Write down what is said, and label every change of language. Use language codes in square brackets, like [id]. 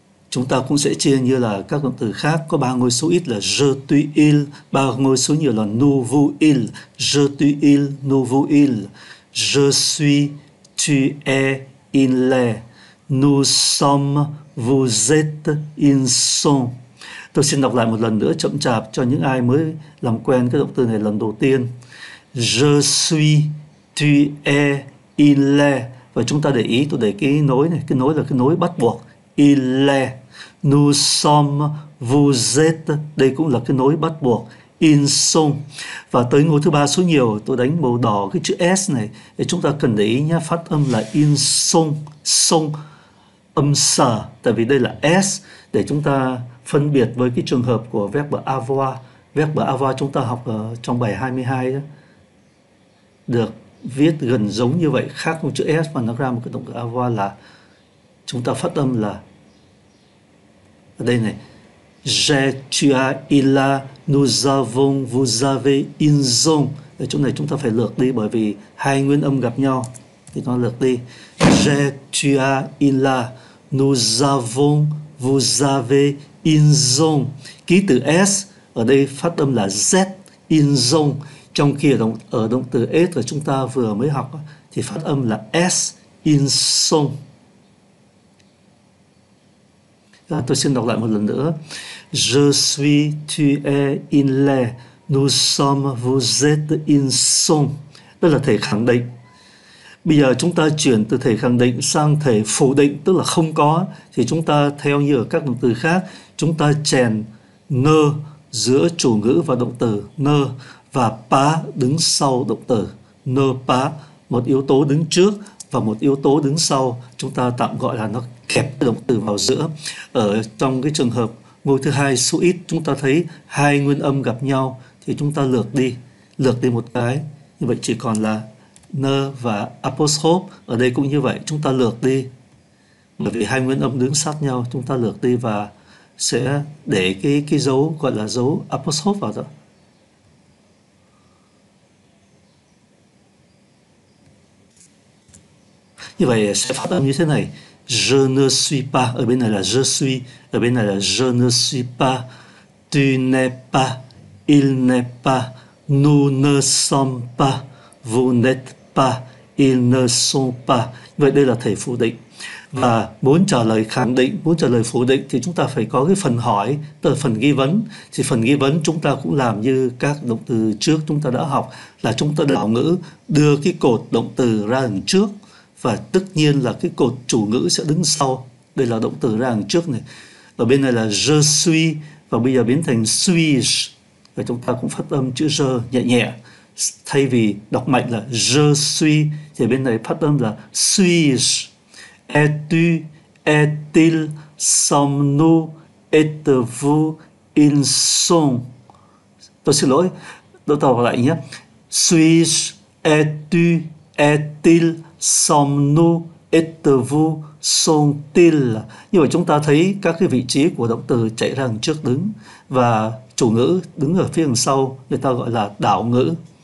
[vi] Chúng ta cũng sẽ chia như là các động từ khác, có ba ngôi số ít là [fr] je, tu, il, [vi] ba ngôi số nhiều là [fr] nous, vous, il, je, tu, il, nous, vous, il, je suis, tu es, il est, nous sommes, vous êtes, ils sont. [vi] Tôi xin đọc lại một lần nữa chậm chạp cho những ai mới làm quen cái động từ này lần đầu tiên. [fr] Je suis, tu es, il est. [vi] Và chúng ta để ý, tôi để cái nối này, cái nối là cái nối bắt buộc, [fr] il est. Nous sommes, vous êtes, [vi] đây cũng là cái nối bắt buộc, [fr] ils sont. [vi] Và tới ngôi thứ ba số nhiều, tôi đánh màu đỏ cái chữ S này, để chúng ta cần để ý nhé, phát âm là [fr] ils sont, sont, [vi] âm sờ, tại vì đây là S, để chúng ta phân biệt với cái trường hợp của verbe avoir. Verbe avoir chúng ta học ở trong bài 22 đó. Được viết gần giống như vậy, khác một chữ S mà nó ra một cái động từ avoir là chúng ta phát âm là ở đây này. [fr] J'ai, tu as, il a, nous avons, vous avez, ils ont. [vi] Ở chỗ này chúng ta phải lược đi bởi vì hai nguyên âm gặp nhau thì nó lược đi. [fr] J'ai, tu as, il a, nous avons, vous avez, ils ont. [vi] Ký từ S ở đây phát âm là Z, [fr] ils ont. [vi] Trong khi ở động từ est là chúng ta vừa mới học thì phát âm là s in song. Tôi xin đọc lại một lần nữa. [fr] Je suis, tu es, il est, nous sommes, vous êtes, ils sont. [vi] Đó là thể khẳng định. Bây giờ chúng ta chuyển từ thể khẳng định sang thể phủ định, tức là không có. Thì chúng ta theo như ở các động từ khác, chúng ta chèn ne giữa chủ ngữ và động từ ne. Và pa đứng sau động từ, ne pa, một yếu tố đứng trước và một yếu tố đứng sau, chúng ta tạm gọi là nó kẹp động từ vào giữa. Ở trong cái trường hợp ngôi thứ hai số ít, chúng ta thấy hai nguyên âm gặp nhau thì chúng ta lược đi một cái. Như vậy chỉ còn là ne và apostrophe, ở đây cũng như vậy, chúng ta lược đi. Bởi vì hai nguyên âm đứng sát nhau, chúng ta lược đi và sẽ để cái dấu gọi là dấu apostrophe vào đó. Như vậy sẽ phát âm như thế này. [fr] Je ne suis pas, [vi] ở bên này là [fr] je suis, ở bên này là je ne suis pas, tu n'es pas, il n'est pas, nous ne sommes pas, vous n'êtes pas, ils ne sont pas. [vi] Vậy đây là thể phủ định. Và muốn trả lời khẳng định, muốn trả lời phủ định thì chúng ta phải có cái phần hỏi, tức là phần nghi vấn. Thì phần nghi vấn chúng ta cũng làm như các động từ trước chúng ta đã học, là chúng ta đảo ngữ, đưa cái cột động từ ra đằng trước, và tất nhiên là cái cột chủ ngữ sẽ đứng sau. Đây là động từ ra đằng trước này. Ở bên này là [fr] je suis, [vi] và bây giờ biến thành [fr] suis, [vi] và chúng ta cũng phát âm chữ je nhẹ nhẹ, thay vì đọc mạnh là je suis thì bên này phát âm là suis. [fr] Es-tu, est-il, sommes-nous, êtes-vous, ils sont. [vi] Tôi xin lỗi, tôi đọc lại nhé. [fr] Suis-je, es-tu, est-il, sommes-nous, êtes-vous, sont-ils. [vi] Như vậy chúng ta thấy các cái vị trí của động từ chạy ra đằng trước đứng, và chủ ngữ đứng ở phía đằng sau, người ta gọi là đảo ngữ.